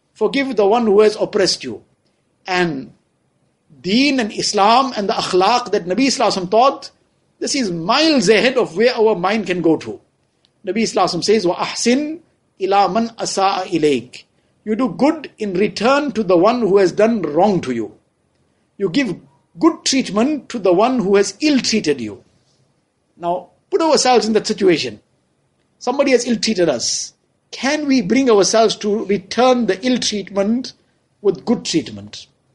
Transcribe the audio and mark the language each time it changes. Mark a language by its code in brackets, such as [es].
[en] Forgive the one who has oppressed you. And deen and Islam and the akhlaq that Nabi Sallallahu Alaihi taught, this is miles ahead of where our mind can go to. Nabi Sallallahu Alaihi says, [ar] وَأَحْسِنْ إِلَى مَنْ أَسَاءَ إِلَيْكَ. [en] You do good in return to the one who has done wrong to you. You give good treatment to the one who has ill-treated you. Now, put ourselves in that situation. Somebody has ill-treated us. Can we bring ourselves to return the ill-treatment with good treatment?